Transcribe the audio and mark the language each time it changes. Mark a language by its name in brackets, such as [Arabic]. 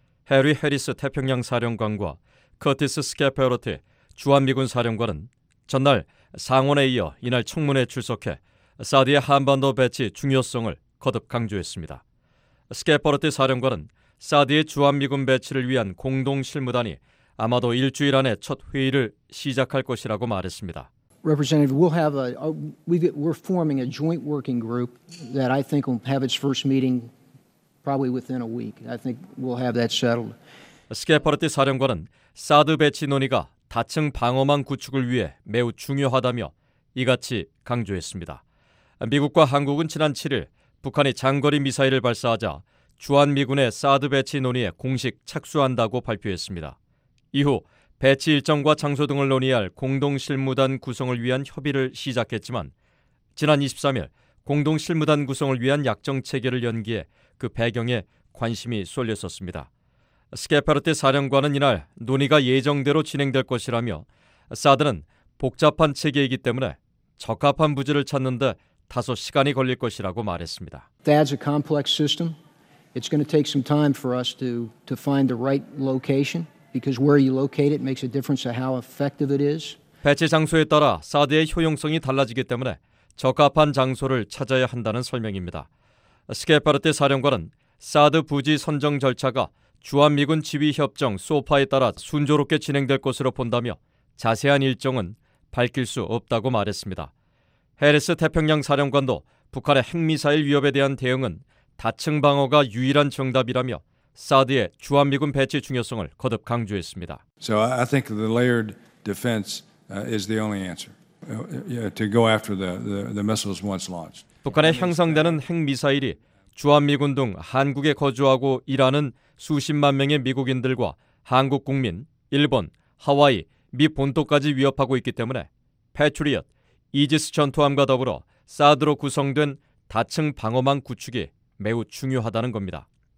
[Korean] 해리 해리스 태평양 사령관과 커티스 스케페로티 주한미군 사령관은 전날 상원에 이어 이날 청문회에 출석해 사드의 한반도 배치 중요성을 거듭 강조했습니다. 스케퍼르티 사령관은 사드의 주한미군 배치를 위한 공동실무단이 아마도 일주일 안에 첫 회의를 시작할 것이라고 말했습니다. [English] Representative, we'll have a we're forming a joint working group that I think will have its first meeting probably within a week. I think we'll have that settled. [Korean] 스케퍼르티 사령관은 사드 배치 논의가 다층 방어망 구축을 위해 매우 중요하다며 이같이 강조했습니다. 미국과 한국은 지난 7일 북한이 장거리 미사일을 발사하자 주한미군의 사드 배치 논의에 공식 착수한다고 발표했습니다. 이후 배치 일정과 장소 등을 논의할 공동실무단 구성을 위한 협의를 시작했지만 지난 23일 공동실무단 구성을 위한 약정 체결을 연기해 그 배경에 관심이 쏠렸었습니다. 스케페르티 사령관은 이날 논의가 예정대로 진행될 것이라며 사드는 복잡한 체계이기 때문에 적합한 부지를 찾는 데 다소 시간이 걸릴 것이라고 말했습니다. [English] That's a complex system. It's going to take some time for us to find the right location because where you locate it makes a difference of how effective it is. [Korean] 배치 장소에 따라 사드의 효용성이 달라지기 때문에 적합한 장소를 찾아야 한다는 설명입니다. 스케파르테 사령관은 사드 부지 선정 절차가 주한미군 지휘 협정 소파에 따라 순조롭게 진행될 것으로 본다며 자세한 일정은 밝힐 수 없다고 말했습니다. 해리스 태평양 사령관도 북한의 핵미사일 위협에 대한 대응은 다층 방어가 유일한 정답이라며 사드의 주한미군 배치 중요성을 거듭 강조했습니다. [English] So I think the layered defense is the only answer to go after the missiles once launched. [Korean] 북한의 형성되는 핵미사일이 주한미군 등 한국에 거주하고 일하는 수십만 명의 미국인들과 한국 국민, 일본, 하와이, 미 본토까지 위협하고 있기 때문에 패트리엇, 이지스 전투함과 더불어 사드로 구성된 다층 방어망 구축이 매우 중요하다는 겁니다.